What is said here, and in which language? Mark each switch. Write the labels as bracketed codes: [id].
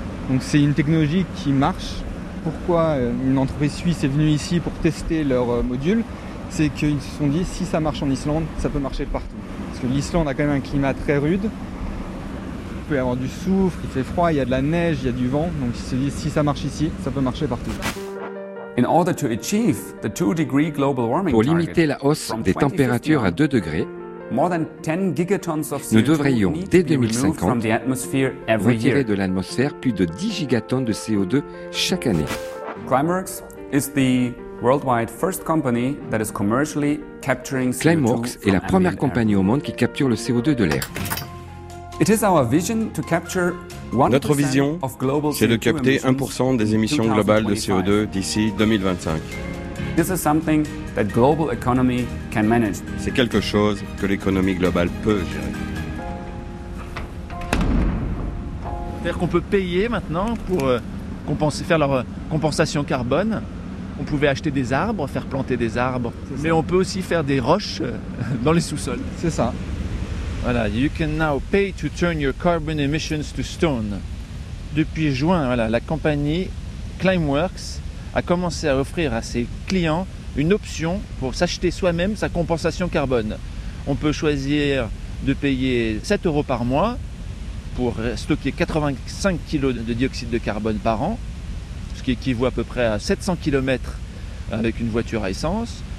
[fr] Donc c'est une technologie qui marche. Pourquoi une entreprise suisse est venue ici pour tester leur module ? C'est qu'ils se sont dit, si ça marche en Islande, ça peut marcher partout. Parce que l'Islande a quand même un climat très rude. Il peut y avoir du soufre, il fait froid, il y a de la neige, il y a du vent. Donc ils se sont dit, si ça marche ici, ça peut marcher partout. [en] In order to achieve the 2 degree global warming [fr] pour limiter la hausse des températures à 2 degrés, [en] more than 10 gigatons of CO2 [fr] nous devrions, dès 2050, retirer de l'atmosphère plus de 10 gigatons de CO2 chaque année. [en] Climeworks is the worldwide first company that is commercially capturing CO2 [fr] Climeworks est la première compagnie au monde qui capture le CO2 de l'air. [en] It is our vision to capture 1% [fr] Notre vision, [en] of global [fr] c'est de capter 1% des émissions globales de CO2 d'ici 2025. [en] This is something that global economy can manage. [fr] C'est quelque chose que l'économie globale peut gérer. C'est-à-dire qu'on peut payer maintenant pour compenser, faire leur compensation carbone. On pouvait acheter des arbres, faire planter des arbres. Mais on peut aussi faire des roches dans les sous-sols. C'est ça. [en] Voilà, you can now pay to turn your carbon emissions to stone. [fr] Depuis juin, voilà, la compagnie Climeworks a commencé à offrir à ses clients une option pour s'acheter soi-même sa compensation carbone. On peut choisir de payer 7 euros par mois pour stocker 85 kg de dioxyde de carbone par an, ce qui équivaut à peu près à 700 km avec une voiture à essence.